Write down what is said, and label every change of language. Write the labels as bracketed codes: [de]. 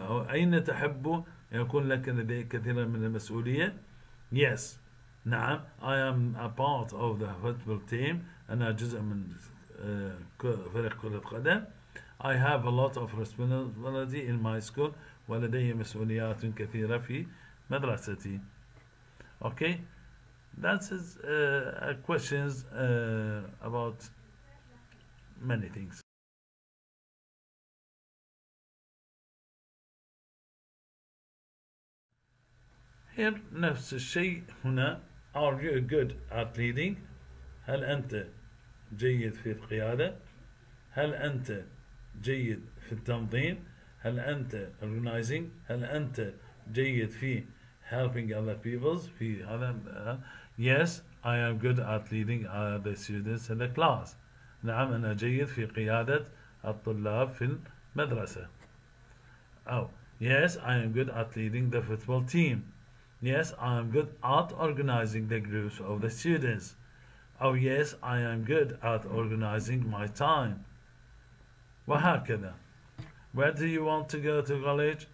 [ar] أين تحب يكون لك لديك كثيرا من المسؤولية؟ Yes. نعم. [en] I am a part of the football team. [ar] أنا جزء من فريق كرة القدم. [en] I have a lot of responsibility in my school. [ar] ولدي مسؤوليات كثيرة في مدرستي. [en] Okay. That is questions about many things. Here, [ar] نفس الشيء هنا. [en] Are you good at leading? [ar] هل أنت جيد في القيادة؟ هل أنت جيد في التنظيم؟ هل أنت organizing؟ هل أنت جيد في [en] helping other people [ar] في هذا؟ [en] Yes, I am good at leading the students in the class. [ar] نعم أنا جيد في قيادة الطلاب في المدرسة. [en] Oh, yes, I am good at leading the football team. Yes, I am good at organizing the groups of the students. Oh yes, I am good at organizing my time. وهكذا. Where do you want to go to college?